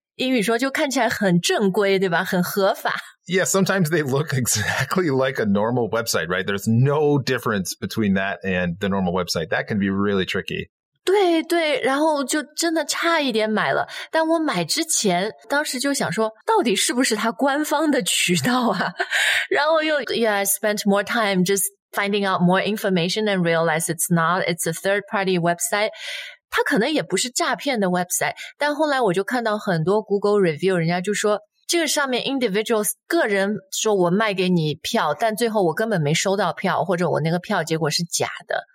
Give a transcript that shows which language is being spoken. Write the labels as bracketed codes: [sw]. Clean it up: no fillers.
[zh] 英语说就看起来很正规，对吧？很合法。 [en] Yeah, sometimes they look exactly like a normal website, right? There's no difference between that and the normal website. That can be really tricky. [zh] 对对，然后就真的差一点买了。但我买之前，当时就想说，到底是不是他官方的渠道啊？然后又 [en] I spent more time just finding out more information and realize it's not. It's a third-party website. [zh] 它可能也不是诈骗的 website， 但后来我就看到很多 Google review， 人家就说这个上面 individuals 个人说我卖给你票，但最后我根本没收到票，或者我那个票结果是假的。